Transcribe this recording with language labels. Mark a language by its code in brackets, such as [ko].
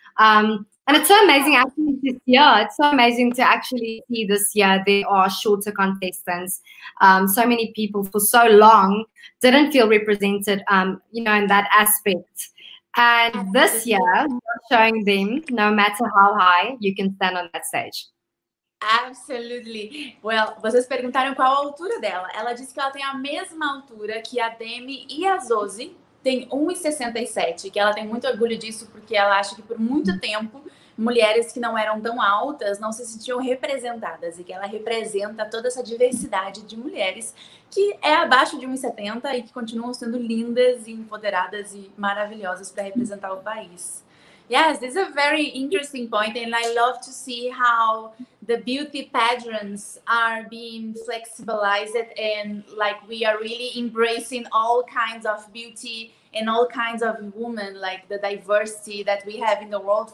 [en] And it's so amazing actually this year. It's so amazing to actually see this year there are shorter contestants. So many people for so long didn't feel represented, you know, in that aspect. And this year, showing them no matter how high you can stand on that stage. Absolutely. Well, [pt] vocês perguntaram qual a altura dela. Ela disse que ela tem a mesma altura que a Demi e a Zosi, tem 1,67, que ela tem muito orgulho disso, porque ela acha que por muito tempo, mulheres que não eram tão altas não se sentiam representadas, e que ela representa toda essa diversidade de mulheres que é abaixo de 1,70 e que continuam sendo lindas e empoderadas e maravilhosas para representar o país. [en] Yes, this is a very interesting point, and I love to see how the beauty pageants are being flexibilized, and like we are really embracing all kinds of beauty and all kinds of women, like the diversity that we have in the world.